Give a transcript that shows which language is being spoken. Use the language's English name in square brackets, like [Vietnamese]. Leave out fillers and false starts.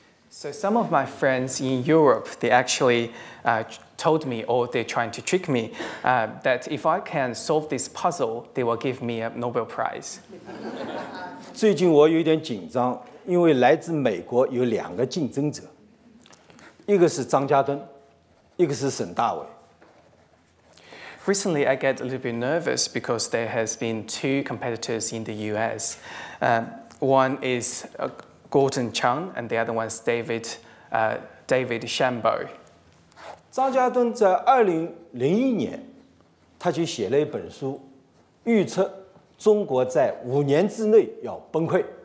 [English] So some of my friends in Europe, they actually told me, or they're trying to trick me, that if I can solve this puzzle, they will give me a Nobel Prize. [Chinese] 最近我有点紧张，因为来自美国有两个竞争者，一个是张家敦，一个是沈大伟。 [English] Recently, I get a little bit nervous because there has been two competitors in the U.S. One is Gordon Chang, and the other one is David Shambo. [Chinese] 张家敦在2001年，他就写了一本书，预测中国在5年之内要崩溃。